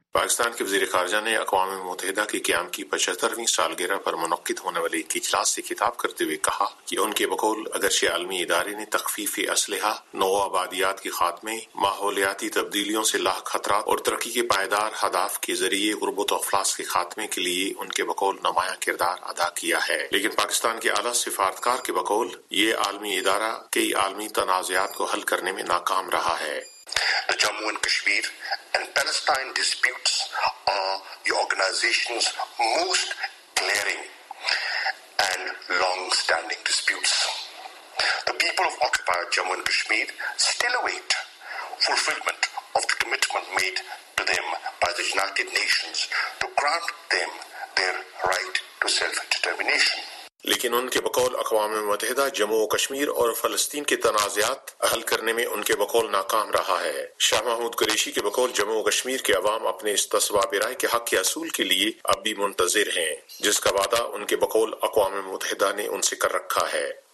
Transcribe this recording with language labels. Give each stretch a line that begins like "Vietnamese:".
Urdu: پاکستان کے وزیر خارجہ نے اقوام متحدہ کے قیام کی 75ویں سالگرہ پر منعقد ہونے والے ایک اجلاس سے خطاب کرتے ہوئے کہا کہ ان کے بقول اگرچہ عالمی ادارے نے تخفیف اسلحہ، نو آبادیات کے خاتمے، ماحولیاتی تبدیلیوں سے لاحق خطرات اور ترقی کے پائیدار اہداف کے ذریعے غربت و افلاس کے خاتمے کے لیے ان کے بقول نمایاں کردار ادا کیا ہے، لیکن پاکستان کے اعلیٰ سفارتکار کے بقول یہ عالمی ادارہ کئی عالمی تنازعات کو حل کرنے میں ناکام رہا ہے۔
English: The Jammu and Kashmir and Palestine disputes are the organization's most glaring and long-standing disputes. The people of occupied Jammu and Kashmir still await fulfillment of the commitment made to them by the United Nations to grant them their right to self-determination.
Urdu: لیکن ان کے بقول اقوام متحدہ جموں و کشمیر اور فلسطین کے تنازعات حل کرنے میں ان کے بقول ناکام رہا ہے۔ شاہ محمود قریشی کے بقول جموں و کشمیر کے عوام اپنے استصواب رائے کے حق کے حصول کے لیے اب بھی منتظر ہیں، جس کا وعدہ ان کے بقول اقوام متحدہ نے ان سے کر رکھا ہے۔